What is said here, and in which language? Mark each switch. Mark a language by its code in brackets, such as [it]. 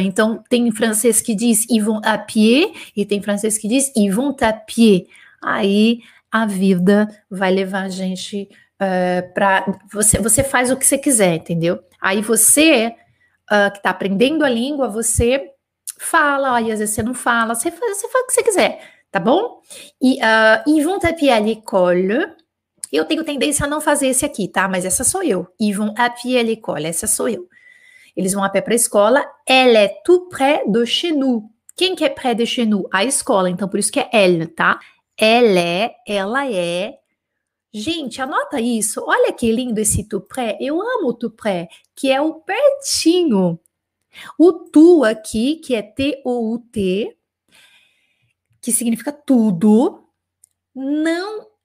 [pt] Então, tem francês que diz [fr] ils vont à pied [pt] e tem francês que diz ils vont à pied. Aí a vida vai levar a gente para. Você faz o que você quiser, entendeu? Aí você, que está aprendendo a língua, você fala, aí às vezes você não fala, você faz o que você quiser, tá bom? [fr] E ils vont à pied à l'école. [pt] Eu tenho tendência a não fazer esse aqui, tá? Mas essa sou eu. [fr] Ils vont à pied à l'école. [pt] Essa sou eu. Eles vão a pé para a escola. [fr] Elle est tout près de chez nous. [pt] Quem que é [fr] près de chez nous? [pt] A escola. Então, por isso que é elle, tá? Ela é. Gente, anota isso. Olha que lindo esse [fr] tout près. [pt] Eu amo o tout près, que é o pertinho. O tu aqui, que é T-O-U-T, que significa tudo, não.